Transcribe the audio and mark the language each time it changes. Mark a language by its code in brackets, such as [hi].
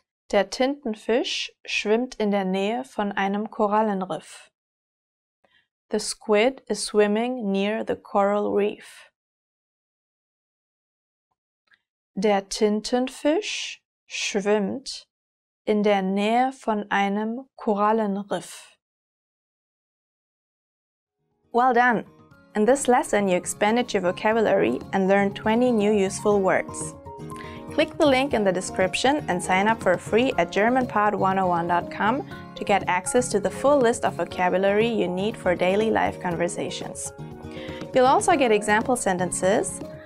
[de] Der Tintenfisch schwimmt in der Nähe von einem Korallenriff. [en] The squid is swimming near the coral reef. [de] Der Tintenfisch schwimmt in der Nähe von einem Korallenriff. [en] Well done! In this lesson, you expanded your vocabulary and learned 20 new useful words. Click the link in the description and sign up for free at germanpod101.com to get access to the full list of vocabulary you need for daily life conversations. You'll also get example sentences,